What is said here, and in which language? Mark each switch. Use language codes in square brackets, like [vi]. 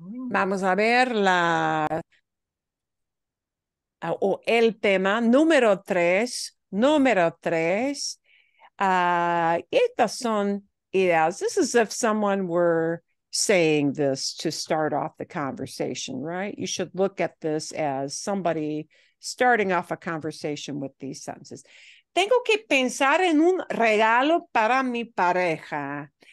[es] Vamos a ver la el tema número tres. Estas son ideas. [en] This is if someone were saying this to start off the conversation, right? You should look at this as somebody starting off a conversation with these sentences. [es] Tengo que pensar en un regalo para mi pareja.